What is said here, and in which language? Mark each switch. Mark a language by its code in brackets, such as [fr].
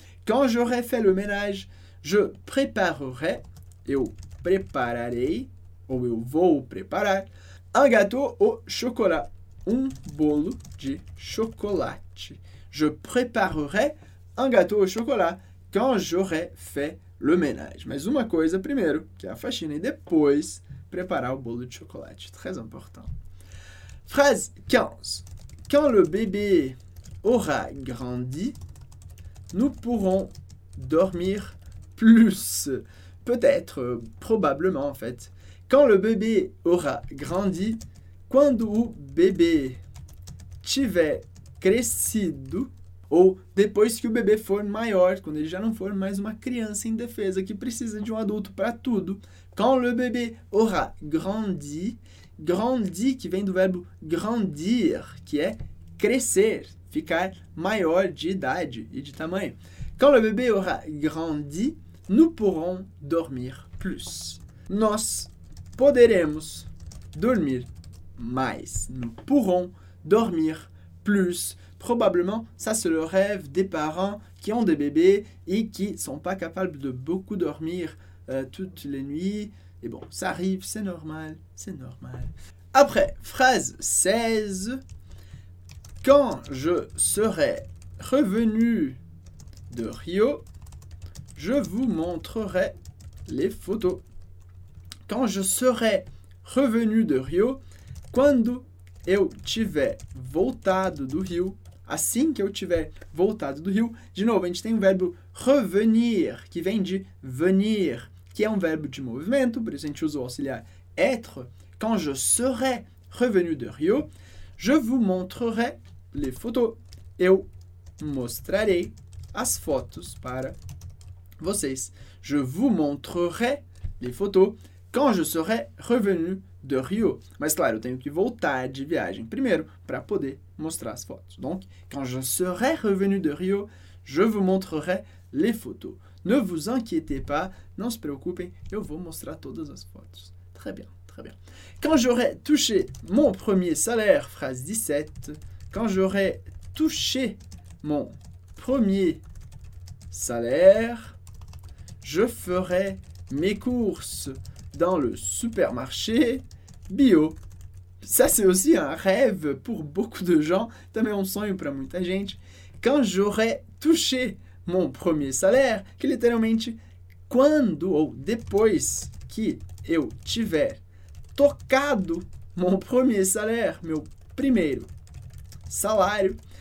[fr] Quand j'aurai fait le ménage, je préparerai, [pt] eu prepararei, ou eu vou preparar, [fr] un gâteau au chocolat. [pt] un bolo de chocolate. [fr] Je préparerai un gâteau au chocolat quand j'aurai fait le ménage. [pt] Mas uma coisa primeiro, que é a faxina, e depois preparar o bolo de chocolate. [fr] Très important. Phrase 15. Quand le bébé aura grandi, nous pourrons dormir plus. Peut-être, probablement en fait. Quand le bébé aura grandi, [pt] quando o bebê tiver crescido, ou depois que o bebê for maior, quando ele já não for mais uma criança indefesa que precisa de um adulto para tudo. [fr] Quand le bébé aura grandi, [pt] grandi que vem do verbo grandir, que é crescer, ficar maior de idade e de tamanho. [fr] Quand le bébé aura grandi, nous pourrons dormir plus. [pt] Nós poderemos dormir mais. [fr] Nous pourrons dormir plus. Probablement, ça c'est le rêve des parents qui ont des bébés et qui ne sont pas capables de beaucoup dormir toutes les nuits. Et bon, ça arrive, c'est normal, c'est normal. Après, phrase 16. Quand je serai revenu de Rio, je vous montrerai les photos. Quand je serai revenu de Rio, [pt] quando eu tiver voltado do Rio, assim que eu tiver voltado do Rio, de novo, a gente tem o verbo revenir, que vem de venir, que é um verbo de movimento, por isso a gente usa o auxiliar être. [fr] Quand je serai revenu de Rio, je vous montrerai les photos. [pt] Eu mostrarei as fotos para vocês. [fr] Je vous montrerai les photos quand je serai revenu de Rio. [pt] Mas claro, eu tenho que voltar de viagem primeiro para poder mostrar as fotos. [fr] Donc, quand je serai revenu de Rio, je vous montrerai les photos. Ne vous inquiétez pas, [pt] não se preocupem, eu vou mostrar todas as fotos. [fr] Très bien, très bien. Quand j'aurai touché mon premier salaire, phrase 17. Quand j'aurai touché mon premier salaire, je ferai mes courses dans le supermarché bio. Ça, c'est aussi un rêve pour beaucoup de gens. [pt] Também um sonho para muita gente. [fr] Quand j'aurai touché mon premier salaire, [pt] que literalmente, quando ou depois que eu tiver tocado [fr] mon premier salaire, [pt] meu primeiro salário.